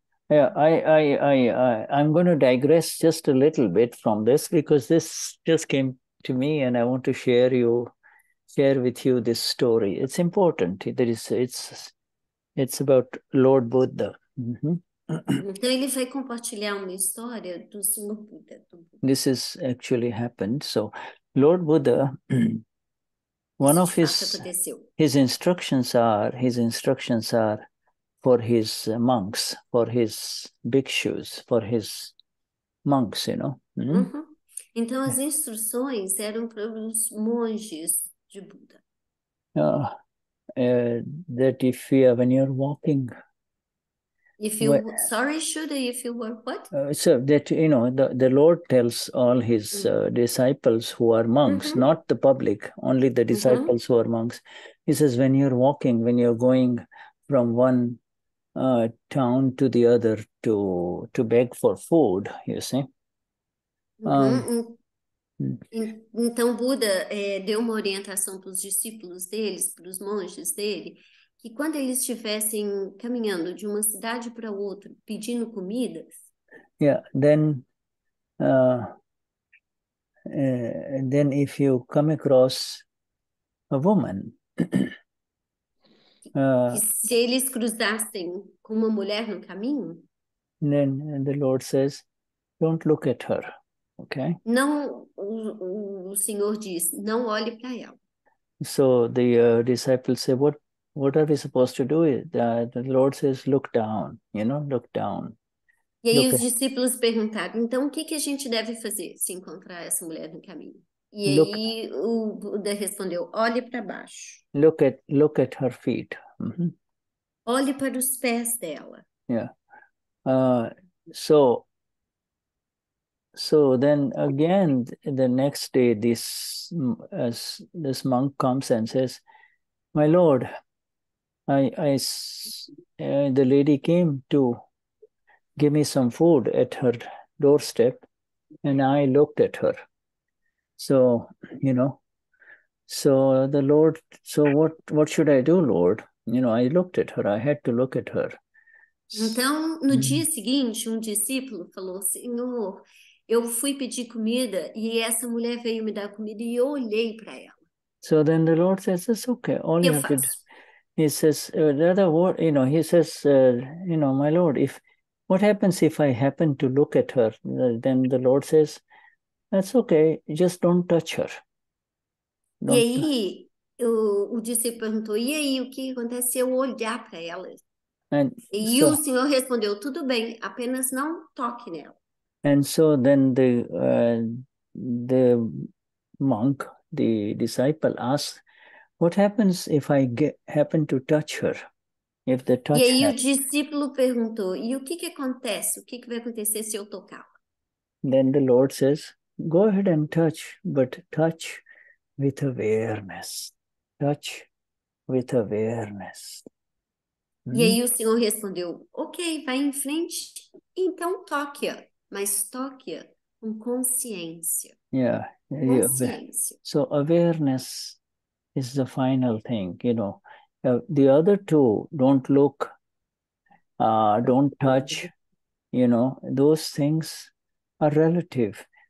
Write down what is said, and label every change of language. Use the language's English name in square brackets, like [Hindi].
[English] I'm going to digress just a little bit from this because this just came to me and I want to share with you this story. It's important. It's about Lord Buddha. [Portuguese] Então ele vai compartilhar uma história do Senhor Buda. [English] This has actually happened. So Lord Buddha. One of his instructions are for his monks, for his bhikshus, for his monks, you know. Mm-hmm. Uh-huh. [Portuguese] Então as instruções eram para os monges de Buda. [English] That if you have, when you're walking. So the Lord tells all his disciples who are monks, mm-hmm. not the public, only the disciples mm-hmm. who are monks. He says, when you're walking, when you're going from one town to the other to beg for food, you see. [Portuguese] Então, Buda deu uma orientação para os discípulos deles, para os monges dele, que quando eles estivessem caminhando de uma cidade para outra pedindo comida, [English] then if you come across a woman, [Portuguese] se eles cruzassem com uma mulher no caminho, [English] then the Lord says, don't look at her. Okay. [Portuguese] Não, o senhor diz, não olhe para ela. [English] So the disciples say, what are we supposed to do? The Lord says, look down, you know, look down. [Portuguese] E aí os discípulos perguntaram, então o que que a gente deve fazer se encontrar essa mulher no caminho? E aí o Buda respondeu, olhe para baixo. [English] Look at her feet. Mm-hmm. [Portuguese] Olhe para os pés dela. Yeah. [English] So then again, the next day, this monk comes and says, my Lord, the lady came to give me some food at her doorstep, and I looked at her. So, you know, so the Lord, so what should I do, Lord? You know, I looked at her, I had to look at her. [Portuguese] Então, no dia seguinte, um discípulo falou, Senhor, eu fui pedir comida e essa mulher veio me dar comida e eu olhei para ela. [English] So then the Lord says, it's okay, all you have to do. He says, my Lord, if what happens if I happen to look at her? Then the Lord says, that's okay, just don't touch her. Don't... [Portuguese] E aí, o discípulo perguntou, e aí, o que acontece se eu olhar para ela? [English] And [Portuguese] o senhor respondeu, tudo bem, apenas não toque nela. [English] And so then the monk, the disciple asks, what happens if I happen to touch her? If the touch [Portuguese] E aí o discípulo perguntou, e o que que acontece? O que que vai acontecer se eu tocar? [English] Then the Lord says, go ahead and touch, but touch with awareness. Touch with awareness. [Portuguese] E aí o senhor respondeu, ok, vai em frente, então toque-a, mas toque-a com consciência. Yeah. Consciência. [English] So awareness is the final thing, you know. The other two, don't look, don't touch, you know, those things are relative.